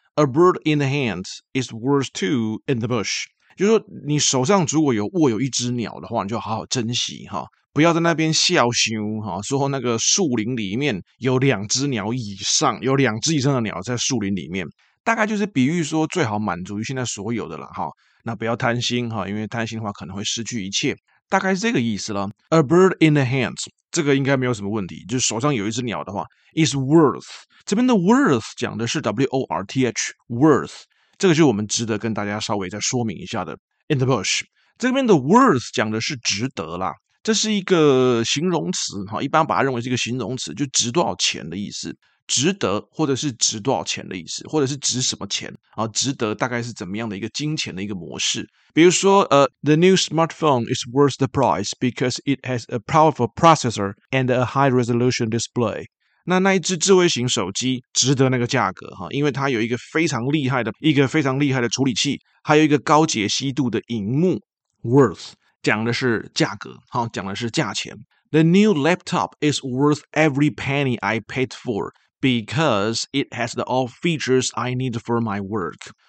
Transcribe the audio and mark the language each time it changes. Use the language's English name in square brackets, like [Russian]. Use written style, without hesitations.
[English] A bird in the hand is worth two in the bush. [Chinese] 就是说你手上如果有握有一只鸟的话，你就好好珍惜、啊、不要在那边笑羞、啊、说那个树林里面有两只鸟以上，有两只以上的鸟在树林里面。大概就是比喻说最好满足于现在所有的了、啊、那不要贪心、啊、因为贪心的话可能会失去一切。大概是这个意思了。 [English] A bird in the hand， [Chinese] 这个应该没有什么问题，就是手上有一只鸟的话 [English] is worth， [Chinese] 这边的 worth 讲的是 W-O-R-T-H worth， 这个就我们值得跟大家稍微再说明一下的。 [English] In the bush， [Chinese] 这边的 worth 讲的是值得啦，这是一个形容词，一般把它认为是一个形容词，就值多少钱的意思，值得或者是值多少钱的意思，或者是值什么钱、啊、值得大概是怎么样的一个金钱的一个模式。 [English] 比如说The new smartphone is worth the price because it has a powerful processor and a high resolution display. [Chinese] 那一只智慧型手机值得那个价格、啊、因为它有一个非常厉害的处理器，还有一个高解析度的荧幕。 Worth 讲的是价格、啊、讲的是价钱。 [English] The new laptop is worth every penny I paid forBecause it has the all features I need for my work.